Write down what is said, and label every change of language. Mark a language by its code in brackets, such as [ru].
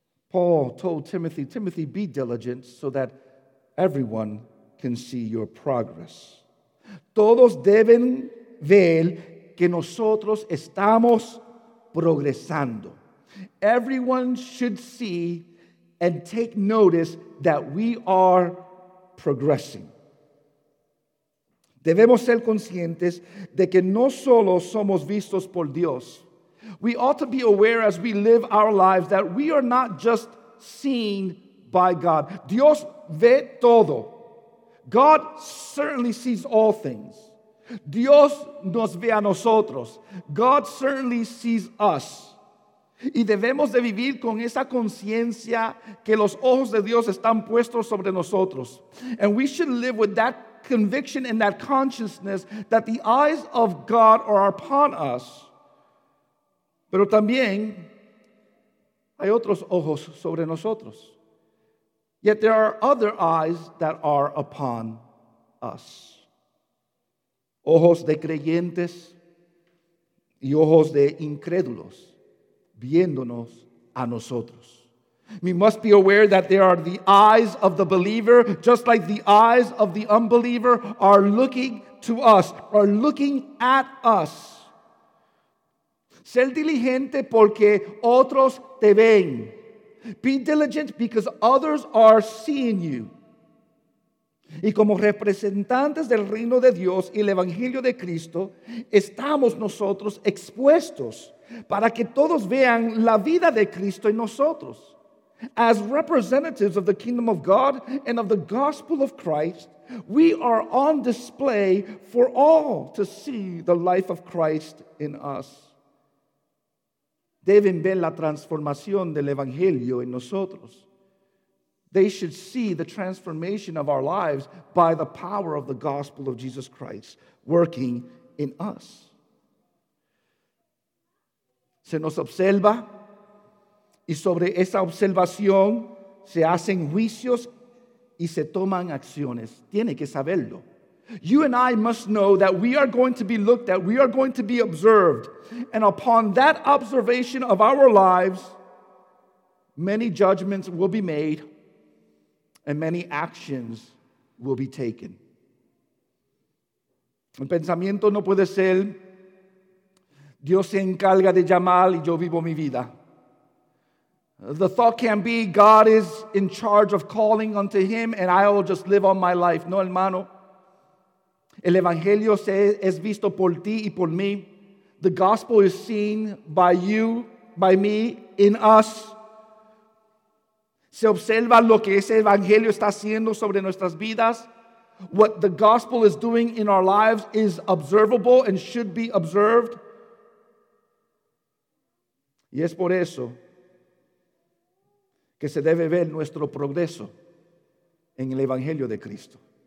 [en] Paul told Timothy, Timothy, be diligent so that everyone can see your progress. [es] Todos deben ver que nosotros estamos progresando. [en] Everyone should see and take notice that we are progressing. [es] Debemos ser conscientes de que no solo somos vistos por Dios. [en] We ought to be aware as we live our lives that we are not just seen by God. [es] Dios ve todo. [en] God certainly sees all things. [es] Dios nos ve a nosotros. [en] God certainly sees us. [es] Y debemos de vivir con esa conciencia que los ojos de Dios están puestos sobre nosotros. [en] And we should live with that conviction and that consciousness that the eyes of God are upon us. [es] Pero también hay otros ojos sobre nosotros. [en] Yet there are other eyes that are upon us. [es] Ojos de creyentes y ojos de incrédulos. Viéndonos a nosotros. [en] We must be aware that there are the eyes of the believer, just like the eyes of the unbeliever are looking to us, are looking at us. [es] Ser diligente porque otros te ven. [en] Be diligent because others are seeing you. [es] Y como representantes del reino de Dios y el evangelio de Cristo, estamos nosotros expuestos para que todos vean la vida de Cristo en nosotros. [en] As representatives of the kingdom of God and of the gospel of Christ, we are on display for all to see the life of Christ in us. [es] Deben ver la transformación del evangelio en nosotros. [en] They should see the transformation of our lives by the power of the gospel of Jesus Christ working in us. [es] Se nos observa y sobre esa observación se hacen juicios y se toman acciones. Tiene que saberlo. [en] You and I must know that we are going to be looked at, we are going to be observed. And upon that observation of our lives, many judgments will be made and many actions will be taken. [es] El pensamiento no puede ser Dios se encarga de llamar y yo vivo mi vida. [en] The thought can be, God is in charge of calling unto him and I will just live on my life. [es] No, hermano. El evangelio es visto por ti y por mí. [en] The gospel is seen by you, by me, in us. [es] Se observa lo que ese evangelio está haciendo sobre nuestras vidas. [en] What the gospel is doing in our lives is observable and should be observed. [es] Y es por eso que se debe ver nuestro progreso en el Evangelio de Cristo.